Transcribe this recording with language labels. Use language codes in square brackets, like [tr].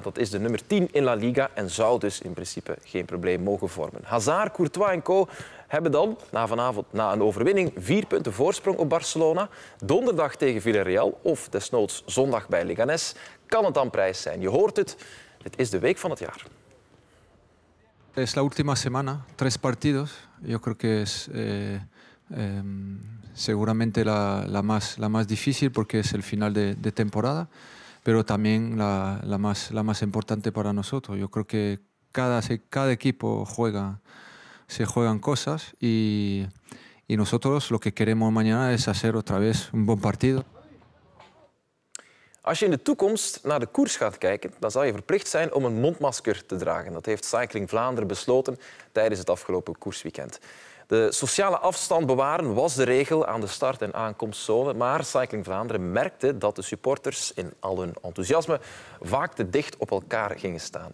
[nl] Dat is de nummer 10 in La Liga en zou dus in principe geen probleem mogen vormen. Hazard, Courtois en Co. hebben dan na vanavond na een overwinning 4 punten voorsprong op Barcelona. Donderdag tegen Villarreal of desnoods zondag bij Leganés kan het dan prijs zijn. Je hoort het is de week van het jaar. [es] Es la última semana, tres partidos. Yo creo que es seguramente la más difícil porque es el final de temporada, pero también la más importante para nosotros. Yo creo que cada equipo se juegan cosas y nosotros lo que queremos mañana es hacer otra vez un buen partido. [nl] Als je in de toekomst naar de koers gaat kijken, dan zal je verplicht zijn om een mondmasker te dragen. Dat heeft Cycling Vlaanderen besloten tijdens het afgelopen koersweekend. De sociale afstand bewaren was de regel aan de start- en aankomstzone, maar Cycling Vlaanderen merkte dat de supporters in al hun enthousiasme vaak te dicht op elkaar gingen staan.